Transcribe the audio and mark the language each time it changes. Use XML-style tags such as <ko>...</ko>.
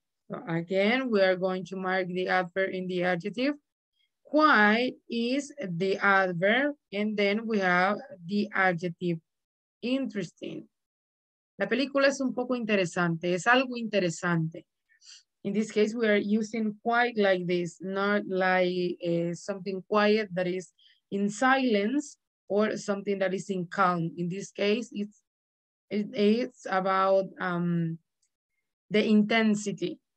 <en>So again, we are going to mark the adverb in the adjective. Quite is the adverb, and then we have the adjective, interesting.</en> <es>La película es un poco interesante, es algo interesante.</es> <en>In this case, we are using quite like this, not like something quiet that is in silence or something that is in calm. In this case, it's about the intensity.</en>